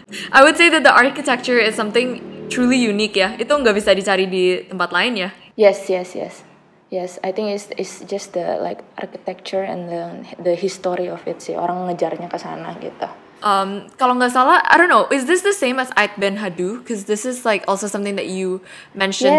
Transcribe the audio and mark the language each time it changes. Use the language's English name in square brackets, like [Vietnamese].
[English] I would say that the architecture is something truly unique ya. [Indonesian] Itu nggak bisa dicari di tempat lain ya. [English] Yes, yes, yes. Yes, I think it's just the like architecture and the history of it sih. [Indonesian] Orang ngejarnya ke sana gitu. Kalau nggak salah, [English] I don't know. Is this the same as Ait Ben Haddou? Because this is like also something that you mentioned